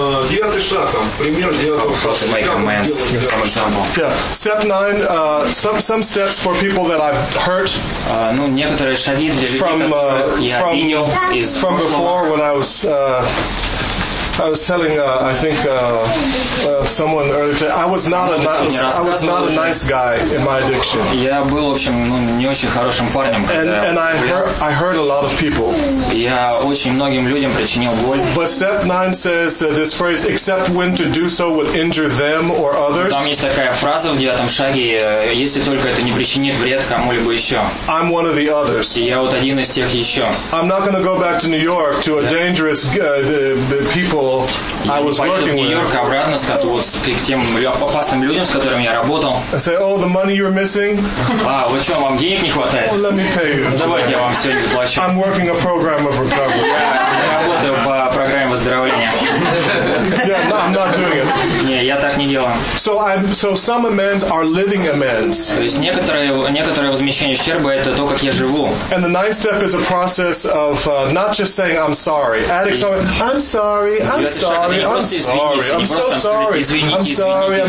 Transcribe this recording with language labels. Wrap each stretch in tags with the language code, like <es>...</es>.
<en>Step 9, some steps for people that I've hurt from before when I was I was telling, I think, someone earlier today, I was not a nice guy in my addiction.</en> <ru>Я был, в общем, не очень хорошим парнем, когда.</ru> <en>And I hurt a lot of people.</en> <ru>Я очень многим людям причинил боль.</ru> <en>But step 9 says this phrase, except when to do so would injure them or others.</en> <ru>Там есть такая фраза в девятом шаге, если только это не причинит вред кому-либо еще.</ru> <en>I'm one of the others.</en> <ru>Я вот один из тех еще.</ru> <en>I'm not going to go back to New York to a dangerous people I was working with.</en> <ru>Я не поеду в Нью-Йорк обратно, скажу, вот, к тем опасным людям, с которыми я работал.</ru> <en>I say, oh, the money you're missing.</en> <ru>А, вы что, вам денег не хватает?</ru> <en>Well, let me pay you.</en> <ru>Давайте я вам все заплачу.</ru> <en>I'm working a program of recovery.</en> <ru>Я работаю по программе выздоровления.</ru> <en>Yeah, no, I'm not doing it.</en> <ru>Не, я так не делаю.</ru> <en>So some amends are living amends.</en> <ru>То есть некоторое возмещение ущерба это то, как я живу.</ru> <en>And the ninth step is a process of not just saying I'm sorry. Addicts are I'm sorry, I'm sorry, I'm sorry, I'm so sorry, I'm sorry.</en>